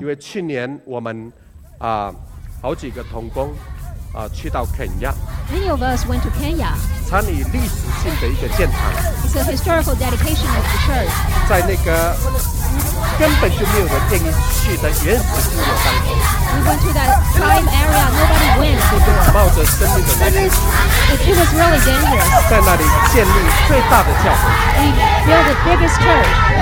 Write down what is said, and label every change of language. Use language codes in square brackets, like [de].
[zh] 因为去年我们好几个同工去到肯亚 [en] Many of us went to Kenya [zh] 参与历史性的一个建堂 [en] It's a historical dedication of the church [zh] 在那个根本就没有人愿意去的原始部落当中 [en] We went to that prime area, nobody went [zh] 就是冒着生命的危险 [en] It was really dangerous [zh] 在那里建立最大的教会 [en] We built the biggest church